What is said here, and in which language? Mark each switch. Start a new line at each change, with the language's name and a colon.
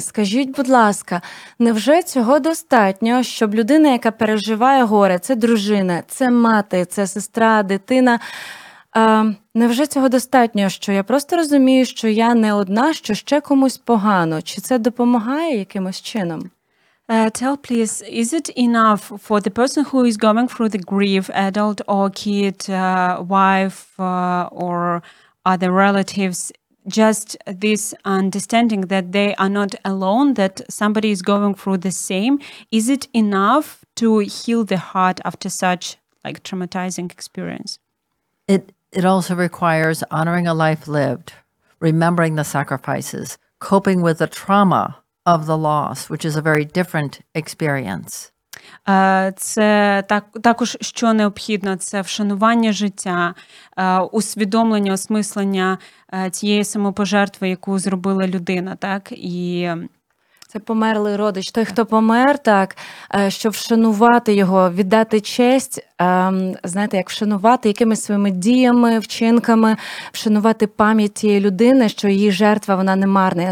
Ukrainian: Скажіть, будь ласка, невже цього достатньо, щоб людина, яка переживає горе, це дружина, це мати, це сестра, дитина, невже цього достатньо, що я просто розумію, що я не одна, що ще комусь погано? Чи це допомагає якимось чином?
English: Tell please, is it enough for the person who is going through the grief, adult or kid, wife or other relatives, just this understanding that they are not alone, that somebody is going through the same, is it enough to heal the heart after such like traumatizing experience? It also requires honoring a life lived, remembering the sacrifices, coping with the trauma of the loss, which is a very different experience.
Ukrainian: Це також, що необхідно, це вшанування життя, усвідомлення, осмислення цієї самопожертви, яку зробила людина, так? І це померлий родич, той, хто помер, так, щоб вшанувати його, віддати честь, знаєте, як вшанувати якимись своїми діями, вчинками, вшанувати пам'ять тієї людини, що її жертва, вона не марна.